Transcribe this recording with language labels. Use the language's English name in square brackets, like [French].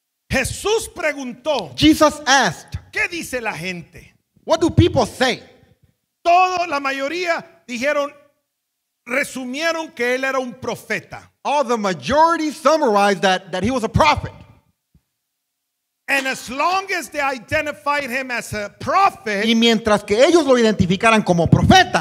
[Spanish] Jesús preguntó, [English] Jesus asked, [Spanish] ¿qué dice la gente? [English] What do people say? [Spanish] Todo, la mayoría dijeron, resumieron que él era un profeta. [English] All the majority summarized that he was a prophet. And as long as they identified him as a prophet, [Spanish] y mientras que ellos lo identificaran como profeta,